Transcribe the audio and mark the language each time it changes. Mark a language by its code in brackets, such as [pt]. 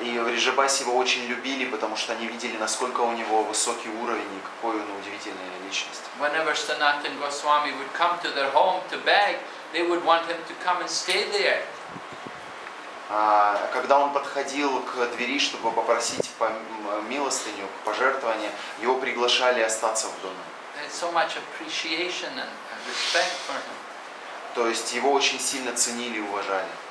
[ru] И в Риджабасе его очень любили, потому что они видели, насколько у него высокий уровень и какой он удивительная личность. [en] Whenever Sanatan Goswami would come to their home to beg, they would want him to come and stay there. [ru] Когда он подходил к двери, чтобы попросить милостыню, пожертвование, его приглашали остаться в доме. [en] So much appreciation and respect for him. [ru] То есть его очень сильно ценили и уважали.